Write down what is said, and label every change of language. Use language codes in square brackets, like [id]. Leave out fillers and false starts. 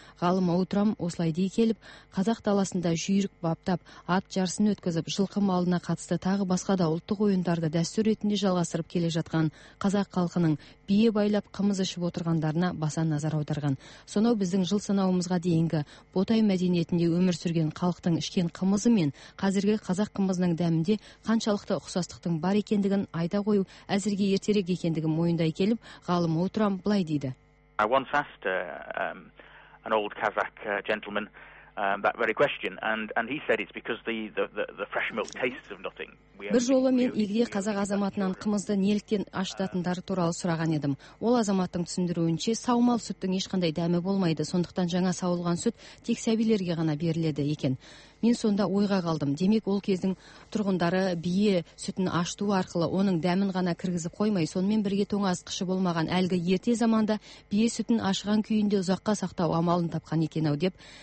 [kk] Ғалым Отрам осылай дей келіп, қазақ даласында жүйрік баптап, ат жарысын өткізіп, жылқы малына қатысты тағы басқа да ұлттық ойындарды дәстүр ретінде жалғастырып келе жатқан қазақ халқының бие байлап қымыз ішіп отырғандарына баса назар аударған. Сонау біздің жыл санауымызға дейінгі Ботай мәдениетінде өмір сүрген халықтың ішкен қымызы мен қазіргі қазақ қымызының дәмінде қаншалықты ұқсастықтың бар екендігін айта қою әзірге ертерек екендігін мойындай келіп, ғалым Отрам былай дейді. [en] I once asked an old Kazakh gentleman that very question, and he said it's because the fresh milk tastes of nothing. [kk] Бір жолы мен егде қазақ азаматынан қымызды неліктен ашытатындары туралы сұраған едім. Ол азаматтың түсіндіруінше, саумал сүттің ешқандай дәмі болмайды, сондықтан жаңа сауылған сүт тек сәбилерге ғана беріледі екен. Мен сонда ойға қалдым. Демек, ол кездің тұрғындары бие сүтін ашыту арқылы оның дәмін ғана кіргізіп қоймай, сонымен бірге тоңазытқышы болмаған әлгі ерте заманда бие сүтін ашыған күйінде ұзаққа сақтау амалын тапқан екен-ау деп.